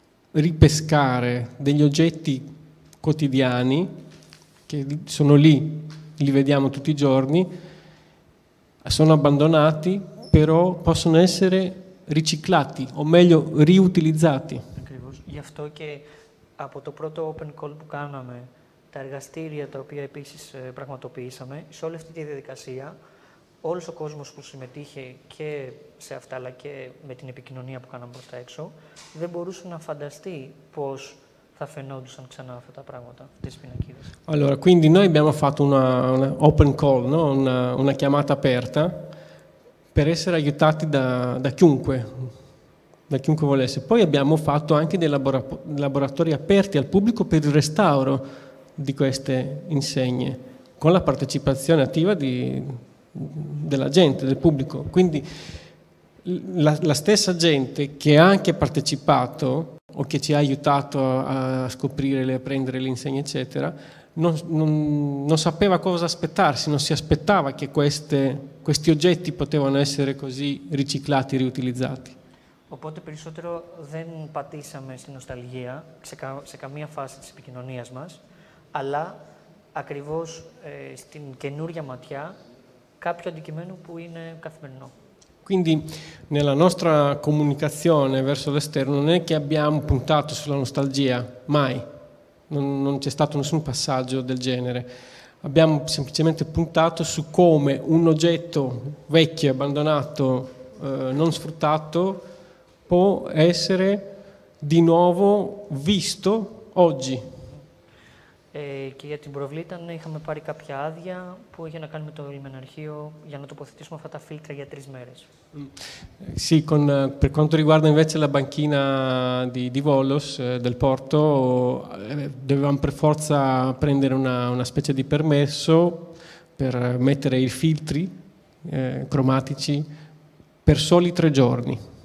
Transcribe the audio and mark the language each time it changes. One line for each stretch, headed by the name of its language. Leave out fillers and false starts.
Italian: ripescare degli oggetti quotidiani che sono lì, li vediamo tutti i giorni, sono abbandonati, però possono essere riciclati, o meglio, riutilizzati.
Greek: Γι' αυτό και από το πρώτο open call που κάναμε, τα εργαστήρια τα οποία επίσης πραγματοποιήσαμε, σε όλη αυτή τη διαδικασία, όλος ο κόσμος που συμμετείχε και σε αυτά, αλλά και με την επικοινωνία που κάναμε προς τα έξω, δεν μπορούσε να φανταστεί πώς θα φαινόντουσαν ξανά αυτά τα πράγματα, αυτές τις πινακίδες.
Italian: Allora, quindi noi abbiamo fatto una open call, no? una chiamata aperta per essere aiutati da chiunque volesse. Poi abbiamo fatto anche dei laboratori aperti al pubblico per il restauro di queste insegne, con la partecipazione attiva della gente, del pubblico. Quindi la stessa gente che ha anche partecipato o che ci ha aiutato a scoprire, a prendere le insegne, eccetera, non sapeva cosa aspettarsi, non si aspettava che questi oggetti potevano essere così riciclati, riutilizzati.
Greek: Οπότε περισσότερο δεν πατήσαμε στην νοσταλγία σε καμία φάση της επικοινωνίας μας, αλλά ακριβώς στην καινούρια ματιά κάποιο αντικειμένο που είναι καθημερινό.
Italian: Quindi nella nostra comunicazione verso l'esterno non è che abbiamo puntato sulla nostalgia, mai. Non c'è stato nessun passaggio del genere. Abbiamo semplicemente puntato su come un oggetto vecchio, abbandonato, non sfruttato, può essere di nuovo visto oggi.
Greek: Και για την Προβλήταν είχαμε πάρει κάποια άδεια που είχε να κάνει με το λιμεναρχείο για να τοποθετήσουμε αυτά τα φίλτρα για τρεις μέρες.
Italian: Sì, per quanto riguarda invece la banchina di Volos, del porto, dovevamo per forza prendere una specie di permesso per mettere i filtri cromatici per soli tre giorni.